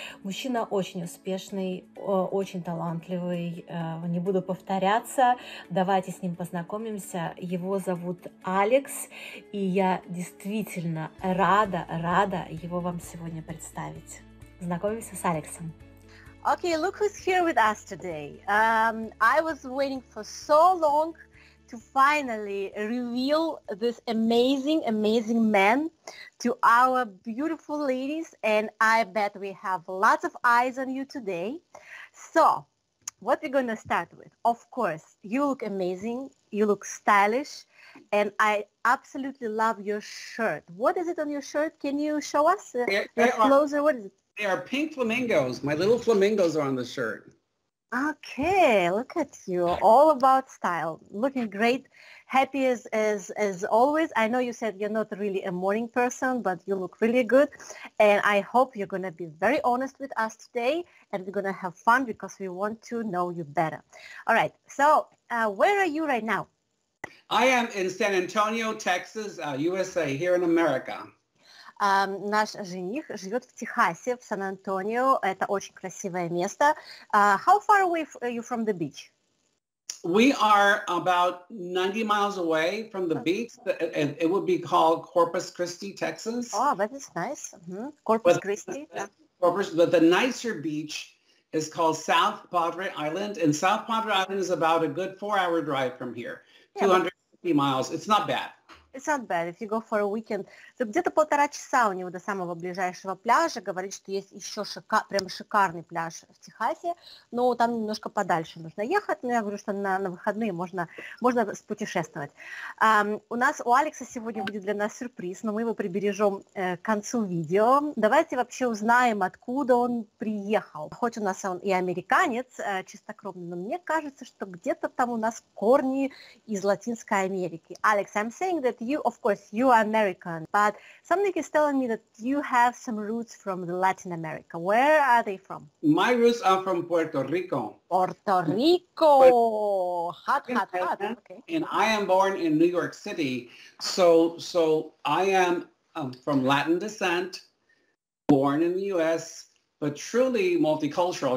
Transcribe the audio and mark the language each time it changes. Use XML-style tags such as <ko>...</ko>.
<ru>Мужчина очень успешный, очень талантливый. Не буду повторяться. Давайте с ним познакомимся. Его зовут Алекс, и я действительно рада, рада его вам сегодня представить. Знакомимся с Алексом.</ru> <en>Okay, look who's here with us today. I was waiting for so long to finally reveal this amazing, amazing man to our beautiful ladies, and I bet we have lots of eyes on you today. So, what we're gonna start with? Of course, you look amazing, you look stylish, and I absolutely love your shirt. What is it on your shirt? Can you show us closer? What is it? They are pink flamingos. My little flamingos are on the shirt. Okay, look at you, all about style, looking great, happy as always. I know you said you're not really a morning person, but you look really good, and I hope you're going to be very honest with us today, and we're going to have fun because we want to know you better. All right, so where are you right now? I am in San Antonio, Texas, USA, here in America.</en> <ru>Наш жених живет в Техасе, в Сан-Антонио. Это очень красивое место.</ru> <en>How far away are you from the beach? We are about 90 miles away from the beach. It would be called Corpus Christi, Texas. Oh, that is nice. Mm-hmm. Corpus Christi. But the nicer beach is called South Padre Island. And South Padre Island is about a good 4-hour drive from here. 250 miles. It's not bad. It's not bad, if you go for a weekend.</en> <ru>So, где-то полтора часа у него до самого ближайшего пляжа. Говорит, что есть еще прям шикарный пляж в Техасе, но там немножко подальше нужно ехать. Но я говорю, что на выходные можно спутешествовать. У нас у Алекса сегодня будет для нас сюрприз, но мы его прибережем к концу видео. Давайте вообще узнаем, откуда он приехал. Хоть у нас он и американец, чистокровный, но мне кажется, что где-то там у нас корни из Латинской Америки.</ru> <en>Алекс, I'm saying that you, of course, you are American, but something is telling me that you have some roots from Latin America. Where are they from? My roots are from Puerto Rico. Puerto Rico! Hot. Okay. And I am born in New York City, so I am from Latin descent, born in the U.S., but truly multicultural.</en>